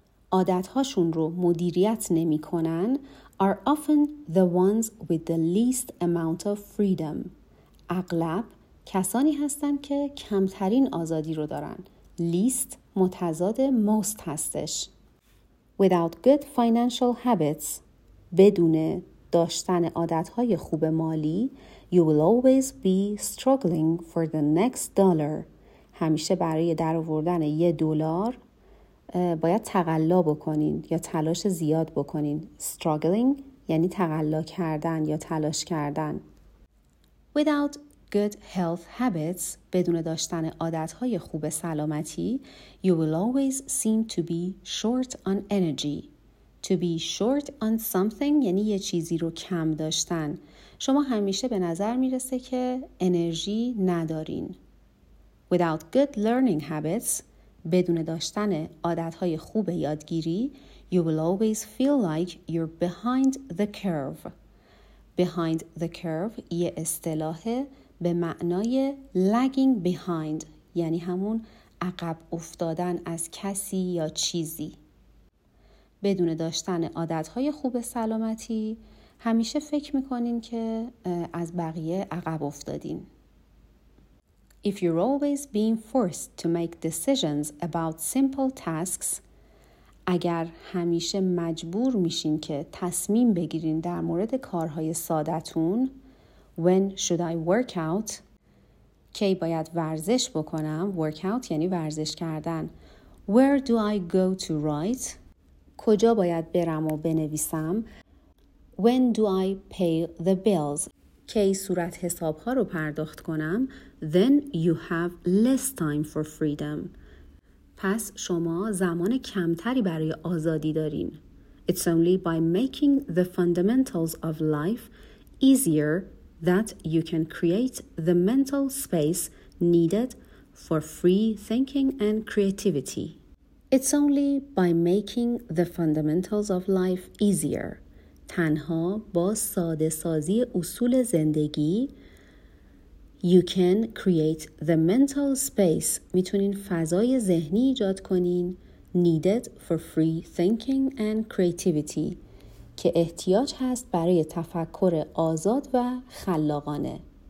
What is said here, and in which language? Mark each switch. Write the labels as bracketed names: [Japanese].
[Persian] عادتهاشون رو مدیریت نمی کنن, [English] are often the ones with the least amount of freedom. [Persian] اغلب کسانی هستن که کمترین آزادی رو دارن. Least متضاد most هستش. [English] Without good financial habits, [Persian] بدون داشتن عادت‌های خوب مالی, [English] you will always be struggling for the next dollar. [Persian] همیشه برای درآوردن یه دلار باید تقلا بکنین یا تلاش زیاد بکنین. [English] Struggling [Persian] یعنی تقلا کردن یا تلاش کردن. [English] Without good health habits, [Persian] بدون داشتن عادت‌های خوب سلامتی, [English] you will always seem to be short on energy. To be short on something [Persian] یعنی یه چیزی رو کم داشتن. شما همیشه به نظر میرسه که انرژی ندارین. [English] Without good learning habits, [Persian] بدون داشتن عادت‌های خوب یادگیری, [English] you will always feel like you're behind the curve. Behind the curve [Persian] یه اصطلاحه به معنای lagging behind یعنی همون عقب افتادن از کسی یا چیزی. بدون داشتن عادتهای خوب سلامتی همیشه فکر میکنین که از بقیه عقب افتادین. [English] If you're always being forced to make decisions about simple tasks, [Persian] اگر همیشه مجبور میشین که تصمیم بگیرین در مورد کارهای سادتون. [English] When should I work out? [Persian] کی باید ورزش بکنم؟ [English] Work out [Persian] یعنی ورزش کردن. [English] Where do I go to write? [Persian] کجا باید برم و بنویسم؟ [English] When do I pay the bills? [Persian] کی صورت حساب ها رو پرداخت کنم؟ [English] Then you have less time for freedom. [Persian] پس شما زمان کمتری برای آزادی دارین. [English] It's only by making the fundamentals of life easier that you can create the mental space needed for free thinking and creativity. It's only by making the fundamentals of life easier. [Persian] تنها با ساده سازی اصول زندگی [English] you can create the mental space [Persian] میتونین فضای ذهنی ایجاد کنین [English] needed for free thinking and creativity [Persian] که احتیاج هست برای تفکر آزاد و خلاقانه.